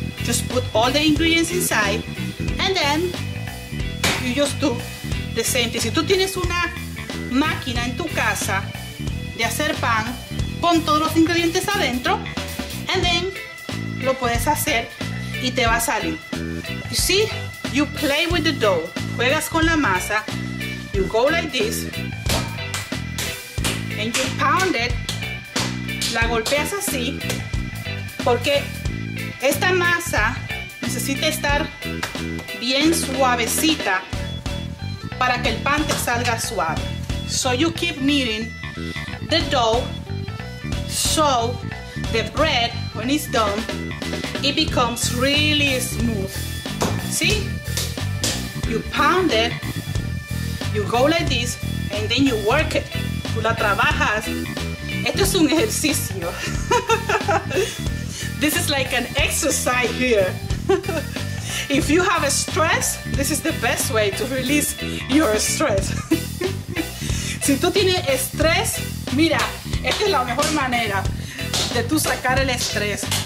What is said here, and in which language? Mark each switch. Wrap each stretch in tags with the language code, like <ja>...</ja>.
<en>Just put all the ingredients inside. And then you just do the same thing.</en> <es>Si tú tienes una máquina en tu casa de hacer pan, pon todos los ingredientes adentro</es> <en>and then</en> <es>lo puedes hacer y te va a salir.</es> <en>You see? You play with the dough.</en> <es>Juegas con la masa.</es> <en>You go like this and you pound it.</en> <es>La golpeas así porque esta masa necesita estar bien suavecita para que el pan te salga suave.</es> <en>So you keep kneading the dough so the bread, when it's done, it becomes really smooth. See? You pound it, you go like this, and then you work it.</en> <es>Tú la trabajas. Esto es un ejercicio.</es> <en>This is like an exercise here. If you have a stress, this is the best way to release your stress.</en> <es>Si tú tienes estrés, mira, esta es la mejor manera de tú sacar el estrés.</es>